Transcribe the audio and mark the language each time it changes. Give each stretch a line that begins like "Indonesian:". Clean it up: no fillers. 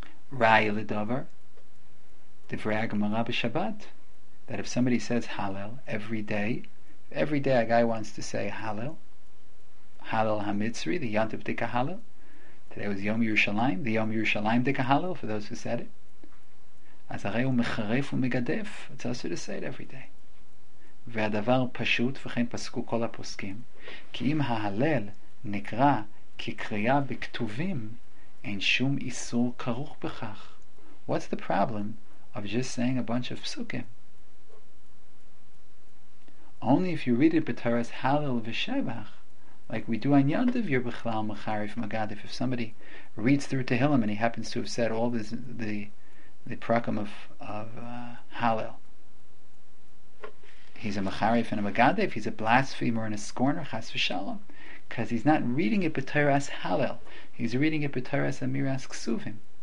English: Rai l'davar, divrei Gemara b'Shabbat, that if somebody says halal every day a guy wants to say halal, halal hamitzri, the Yontiv dika halal. Today was Yom Yerushalayim, the Yom Yerushalayim dika halal, for those who said it. As harei hu mecharef hu megadef, it's also to say it every day.
Hebrew: והדבר פשוט וכן פסקו כל הפוסקים כי אם ההלל נקרא כקריאה בכתובים אין שום איסור כרוך בכך.
English: What's the problem of just saying a bunch of psukim? Only if you read it b'toras halel v'shevach, like we do on Yontiv, you're b'chlal mecharef megadef. If somebody reads through Tehillim and he happens to have said all this, the prakim of halel, he's a mecharef and a megadef, he's a blasphemer and a scorner, chas v'shalom, because he's not reading it b'toras halel, he's reading it b'toras amiras ksuvim.